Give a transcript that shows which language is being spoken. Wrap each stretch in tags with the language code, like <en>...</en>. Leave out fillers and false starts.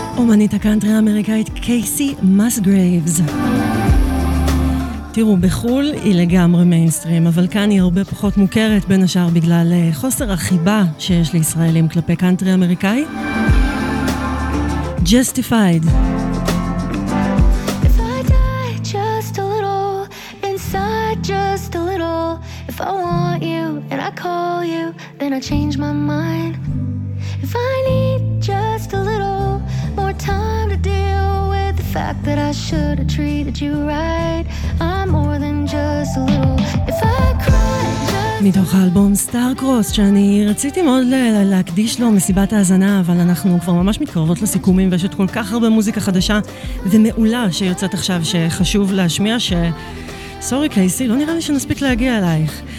<he>אומנית הקאנטרי האמריקאית קייסי מסגרייבס. תראו, בחול היא לגמרי מיינסטרים, אבל כאן היא הרבה פחות מוכרת, בין השאר בגלל חוסר החיבה שיש לישראלים כלפי קאנטרי אמריקאי.</he> <en>Justified. If I die just a little, inside just a little, if I want you and I call you, then I change my mind. If I need just a little, time to deal with the fact that I should have treated you right. I'm more than just a little. If I cried just</en> <he>מתוך האלבום סטאר קרוס, שאני רציתי מאוד להקדיש לו מסיבת ההזנה, אבל אנחנו כבר ממש מתקרבות לסיכומים, ויש את כל כך הרבה מוזיקה חדשה ומעולה שיוצאת עכשיו שחשוב להשמיע, ש סורי קייסי, לא נראה לי שנספיק להגיע אלייך.</he>